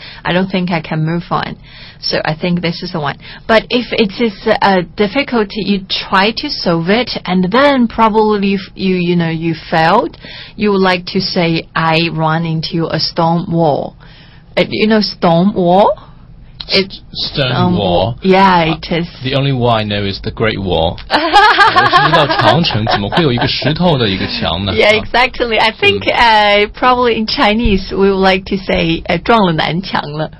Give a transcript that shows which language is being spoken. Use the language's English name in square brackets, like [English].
[English] I don't think I can move on. So I think this is the one. But if it is a difficulty, you try to solve it, and then probably you failed, you would like to say I run into a stone wall. You know, stone wall. Stone Wall. Yeah, it is. The only wall I know is the Great Wall. [Chinese] 我知道长城怎么会有一个石头的一个墙呢 [English] Yeah, exactly. I think probably in Chinese we would like to say [Chinese] 撞了南墙了